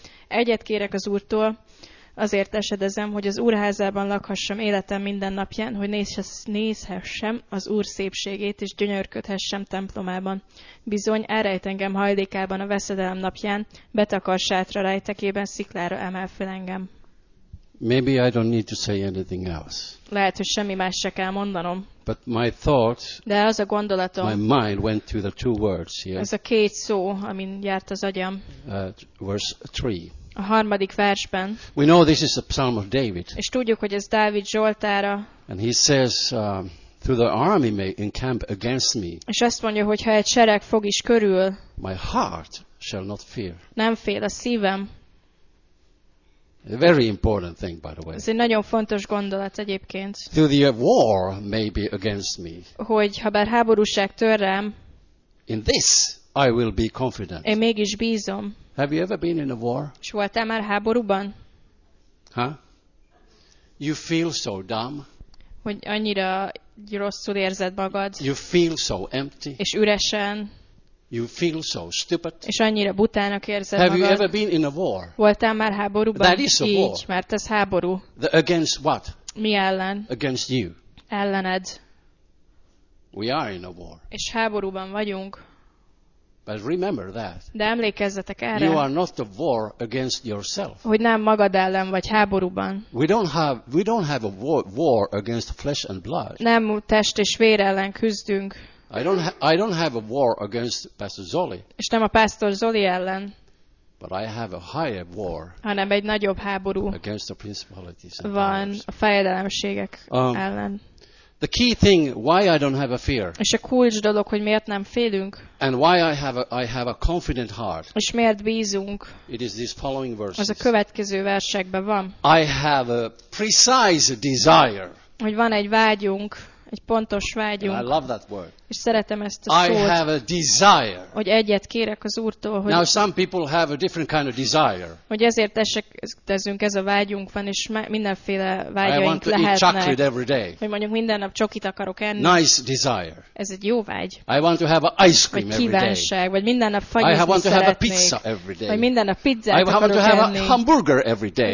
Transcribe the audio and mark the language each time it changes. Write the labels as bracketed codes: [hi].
[hu] Egyet kérek az Úrtól, azért esedezem, hogy az Úr házában lakhassam életem minden napján, hogy nézhessem az Úr szépségét, és gyönyörködhessem templomában. Bizony, elrejt engem hajlékában a veszedelem napján, betakar sátra rejtekében, sziklára emel fel engem. [en] Maybe I don't need to say anything else. [hu] Lehet, hogy semmi más se kell mondanom. [en] But my thoughts, [hu] de az a gondolatom, [en] my mind went to the two words here. [hu] Ez a két szó, amin járt az agyam. [en] Verse 3. [hu] A harmadik versben. [en] We know this is the Psalm of David. [hu] És tudjuk, hogy ez Dávid zsoltára. [en] And he says, through the army may encamp against me. [hu] És azt mondja, hogy ha egy sereg fog is körül. [en] My heart shall not fear. [hu] Nem fél a szívem. [en] A very important thing, by the way. [hu] Ez egy nagyon fontos gondolat egyébként. [en] Through the war may be against me. [hu] Hogy ha bár háborúság tör rám. [en] In this I will be confident. [hu] Én mégis bízom. [en] Have you ever been in a war? [hu] Voltál már háborúban? [en] Huh? You feel so dumb. [hu] Hogy annyira rosszul érzed magad. [en] You feel so empty. [hu] És üresen. [en] You feel so stupid. [hu] És annyira butának érzed magad. [en] Have you ever been in a war? [hu] Voltál már háborúban? [en] That is a war. [hu] Így, mert ez háború. [en] The against what? [hu] Mi ellen? [en] Against you. [hu] Ellened. [en] We are in a war. [hu] És háborúban vagyunk. [en] But remember that. [hu] De emlékezzetek erre. [en] You are not the war against yourself. [hu] Hogy nem magad ellen vagy háborúban. [en] We don't have a war against flesh and blood. [hu] Nem test és vér ellen küzdünk. [en] I don't have a war against Pastor Zoli. [hu] És nem a Pastor Zoli ellen. [en] But I have a higher war. [hu] Hanem egy nagyobb háború. [en] Against the principalities and [hu] van a fejedelemségek ellen. [en] The key thing why I don't have a fear. [hu] És a kulcs dolog, hogy miért nem félünk. [en] And why I have a confident heart. [hu] És miért bízunk. [en] It is these following verses. [hu] Az a következő versekben van. [en] I have a precise desire. [hu] Hogy van egy vágyunk, egy pontos vágyunk. [en] And I love that word. [hu] És szeretem ezt a szót. [en] I have a desire. [hu] Hogy egyet kérek az Úrtól, hogy. [en] Now some people have a different kind of desire. [hu] Hogy ezért esetezünk, ez a vágyunk van, és mindenféle vágyaink lehetnek. [en] I want to eat chocolate every day. [hu] Hogy mondjuk minden nap csokit akarok enni. [en] Nice desire. [hu] Ez egy jó vágy. [en] I want to have ice cream every day. [hu] Vagy kívánság, vagy minden nap fagyizni szeretnék. [en] I want to have a pizza every day. [hu] Vagy minden nap pizzát akarok [en] I want to have a hamburger every day.